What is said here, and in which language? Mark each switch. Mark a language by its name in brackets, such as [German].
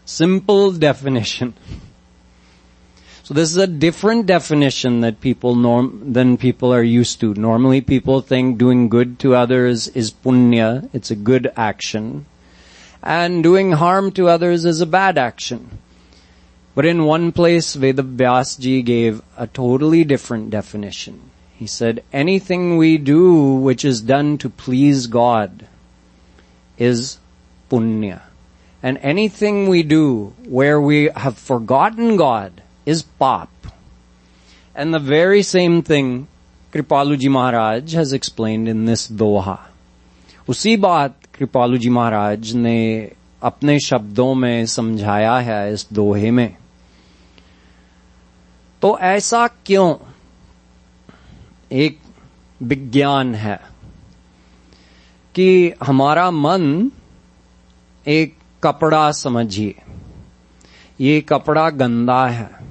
[English] Simple definition. So this is a different definition that people norm than people are use to. Normally people think doing good to others is पुण्य, it's a good action, and doing harm to others is a bad action. But in one place, Vedavyas ji gave a totally different definition. He said, anything we do which is done to please God is punya. And anything we do where we have forgotten God is pap. And the very same thing Kripalu ji Maharaj has explained in this doha. [Hindi] Usi baat कृपालु जी महाराज ने अपने शब्दों में समझाया है इस दोहे में. तो ऐसा क्यों? एक विज्ञान है कि हमारा मन एक कपड़ा समझिए, ये कपड़ा गंदा है.